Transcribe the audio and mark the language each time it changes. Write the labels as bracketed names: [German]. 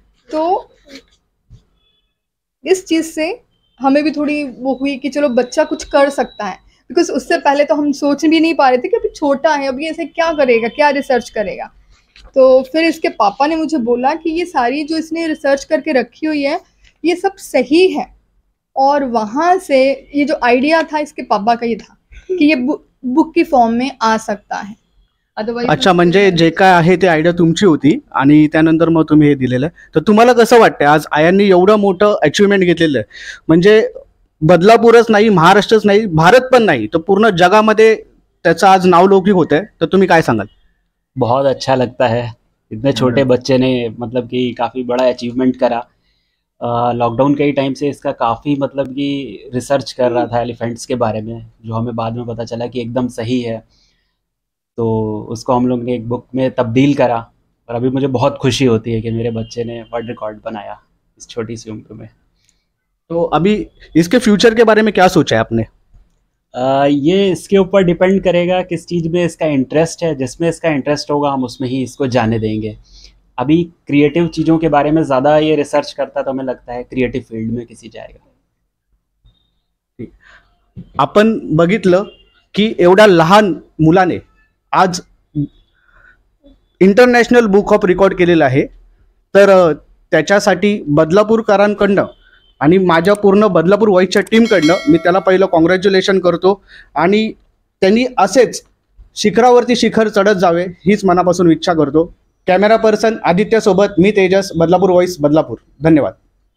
[Hindi] तो इस चीज़ से हमें भी थोड़ी वो हुई कि चलो बच्चा कुछ कर सकता है, बिकॉज उससे पहले तो हम सोच भी नहीं पा रहे थे कि अभी छोटा है, अभी ऐसे क्या करेगा, क्या रिसर्च करेगा। तो फिर इसके पापा ने मुझे बोला कि ये सारी जो इसने रिसर्च करके रखी हुई है ये सब सही है। और वहाँ से ये जो आइडिया था इसके पापा का ये था कि ये बुक की फॉर्म में आ सकता है। [Marathi] अच्छा, म्हणजे जे काय आहे ते आयडिया तुमची होती आणि त्यानंतर मग तुम्ही हे दिलेलं आहे, तर तुम्हाला कसं वाटतं आज आयांनी एवढं मोठं अचीवमेंट घेतलेलं आहे, म्हणजे बदलापूरच नाही, महाराष्ट्रच नाही, भारत पण नाही, तर पूर्ण जगामध्ये त्याचं आज नावलौकिक होत आहे, तर तुम्ही काय सांगाल? [Hindi] बहुत अच्छा लगता है, इतने छोटे बच्चे ने मतलब की काफी बड़ा अचीवमेंट करा। लॉकडाउन के टाइम से इसका काफी मतलब की रिसर्च कर रहा था एलिफेंट्स के बारे में, जो हमें बाद में पता चला कि एकदम सही है। तो उसको हम लोग ने एक बुक में तब्दील करा और अभी मुझे बहुत खुशी होती है कि मेरे बच्चे ने वर्ल्ड रिकॉर्ड बनाया इस छोटी सी उम्र में। तो अभी इसके फ्यूचर के बारे में क्या सोचा है आपने? ये इसके ऊपर डिपेंड करेगा किस चीज़ में इसका इंटरेस्ट है, जिसमें इसका इंटरेस्ट होगा हम उसमें ही इसको जाने देंगे। अभी क्रिएटिव चीज़ों के बारे में ज़्यादा ये रिसर्च करता तो हमें लगता है क्रिएटिव फील्ड में किसी जाएगा। [Marathi] अपन बघितलं कि एवढा लहान मुलाने आज इंटरनॅशनल बुक ऑफ रिकॉर्ड केलेलं आहे, तर त्याच्यासाठी बदलापूरकरांकडनं आणि माझ्या पूर्ण बदलापूर व्हॉईसच्या टीमकडनं मी त्याला पहिलं कॉंग्रॅच्युलेशन करतो आणि त्यांनी असेच शिखरावरती शिखर चढत जावे हीच मनापासून इच्छा करतो। कॅमेरा पर्सन आदित्यसोबत मी तेजस, बदलापूर व्हॉईस बदलापूर, धन्यवाद।